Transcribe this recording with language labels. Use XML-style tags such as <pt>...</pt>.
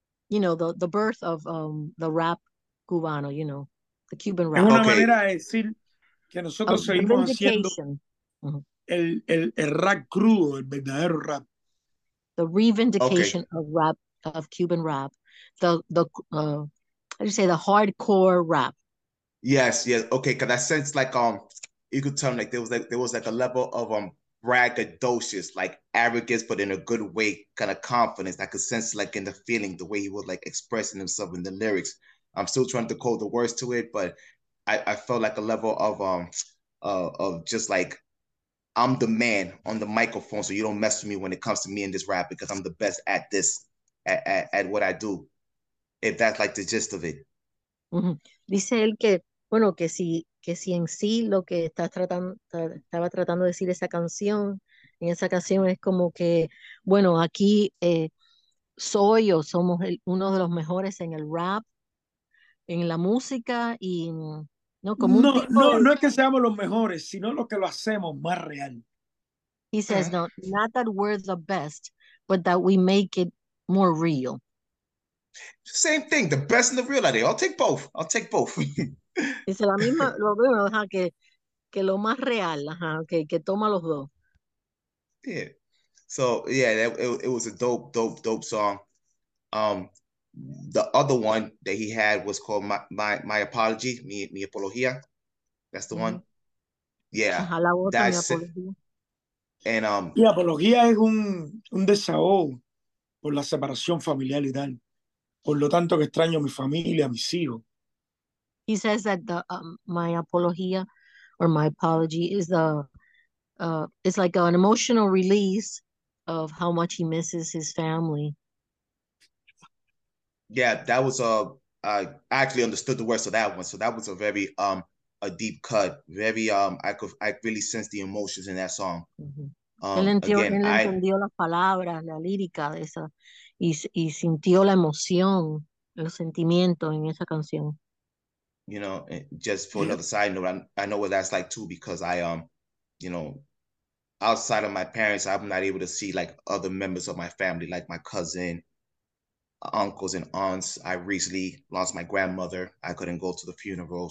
<en>You know, the birth of the</en> <es>rap cubano,</es> <en>you know, the Cuban rap.</en> <es>Es una manera de decir que nosotros seguimos haciendo el rap crudo, el verdadero rap.</es> <en>The reivindication of rap, of Cuban rap. How do you say, the hardcore rap. Yes, yes. Okay, because I sense like you could tell me like there was a level of braggadocious, like arrogance, but in a good way, kind of confidence. I could sense like in the feeling, the way he was like expressing himself in the lyrics. I'm still trying to code the words to it, but I felt like a level of just like I'm the man on the microphone, so you don't mess with me when it comes to me in this rap because I'm the best at this at what I do. If that's like the gist of it. Mm-hmm.</en> <es>Dice él que, bueno, que si en sí lo que estaba tratando de decir en esa canción es como que, bueno, aquí soy o somos uno de los mejores en el rap, en la música, y no como un no, tipo no, de... no es que seamos los mejores, sino lo que lo hacemos más real.</es> <en>He says, no, not that we're the best, but that we make it more real. Same thing, the best and the real idea. I'll take both.</en> <es>Dice la misma, lo mismo, ajá, que lo más real, ajá, que toma los dos.</es> <en>Yeah. So, yeah, it was a dope song. The other one that he had was called My Apology, Mi Apología. That's the one. Yeah.</en> <es>Ajá, la otra, Mi Apología.</es> <en>And</en> <es>Mi Apología es un desahogo por la separación familiar y tal. Por lo tanto que extraño a mi familia, a mis hijos.</es> <en>He says that the my apologia or my apology is the it's like an emotional release of how much he misses his family. Yeah, that was I actually understood the words of that one. So that was a very a deep cut. Very I really sensed the emotions in that song. Mm-hmm.</en> <es>Entendió las palabras, la lírica de esa y sintió la emoción, los sentimientos en esa canción.</es> <en>You know, just for another side note, I know what that's like too, because I, you know, outside of my parents, I'm not able to see like other members of my family, like my cousin, uncles and aunts. I recently lost my grandmother. I couldn't go to the funeral.</en>